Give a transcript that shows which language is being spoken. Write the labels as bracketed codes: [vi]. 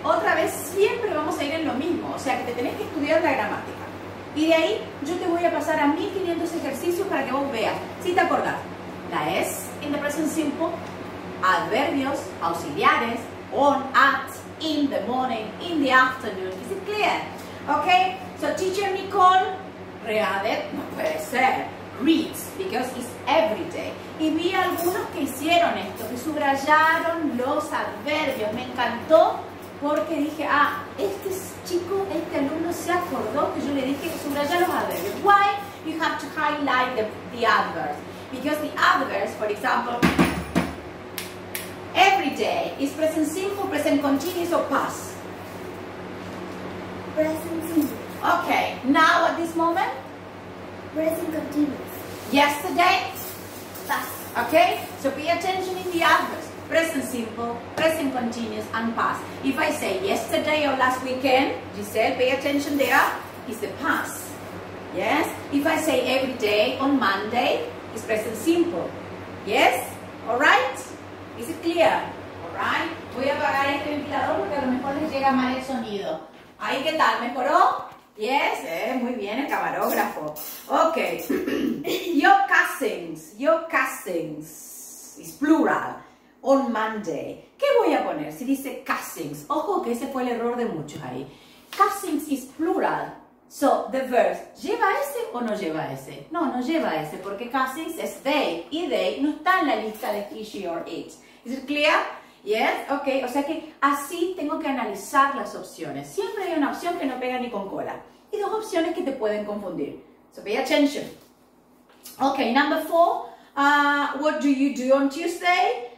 [es] Otra vez, siempre vamos a ir en lo mismo. O sea, que te tenés que estudiar la gramática. Y de ahí, yo te voy a pasar a 1500 ejercicios para que vos veas. Si te acordás, la S [en] in the present simple, [es] adverbios, auxiliares, [en] on, at, in the morning, in the afternoon. Is it clear? Okay. So, teacher Nicole, [es] no puede ser, [en] reads, because it's every day. [es] Y vi algunos que hicieron esto, que subrayaron los adverbios. Me encantó porque dije, ah, este chico, este alumno se acordó que yo le dije subrayar los adverbios. [en] Why you have to highlight the adverbs? Because the adverbs, for example, every day is present simple, present continuous, or past? Present simple. Okay, now at this moment? Present continuous. Yesterday? Past. Okay, so pay attention in the adverbs. Present simple, present continuous, and past. If I say yesterday or last weekend, you said pay attention there, it's the past. Yes? If I say every day on Monday, it's present simple. Yes? Alright? Is it clear? Alright? [es] Voy a apagar este ventilador porque a lo mejor les llega mal el sonido. Ahí, ¿qué tal? ¿Mejoró? Yes? Muy bien, el camarógrafo. Ok. [en] Your cousins. Is plural. On Monday. [es] ¿Qué voy a poner si dice cousins? Ojo que ese fue el error de muchos ahí. [en] Cousins is plural. So, the verb, [es] ¿lleva ese o no lleva ese? No, no lleva ese, porque cousins es they, y they no está en la lista de he, she, or it. [en] Is it clear? Yes? [es] Ok, o sea que así tengo que analizar las opciones. Siempre hay una opción que no pega ni con cola. Y dos opciones que te pueden confundir. [en] So, pay attention. Ok, number four, what do you do on Tuesday?